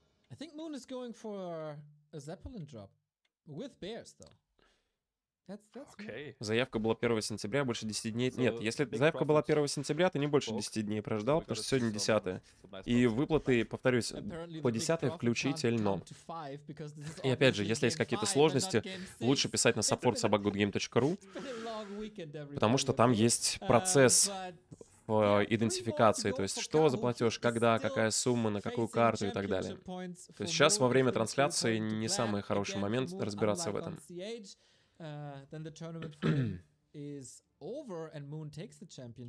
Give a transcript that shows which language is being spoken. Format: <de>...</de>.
<en>I think Moon is going for a Zeppelin drop with bears, though. Okay.</en> <ru>Заявка была 1 сентября, больше 10 дней. So нет, если заявка была 1 сентября, то не больше 10 дней прождал, потому что сегодня 10. И выплаты, повторюсь, по 10 включительно. И опять же, если есть какие-то сложности, лучше писать на support@goodgame.ru, потому что там есть процесс в идентификации, то есть что заплатишь, когда, какая сумма, на какую карту и так далее. То есть сейчас во время трансляции не самый хороший момент разбираться в этом.</ru> <en>Then the tournament is over and Moon takes the championship.</en>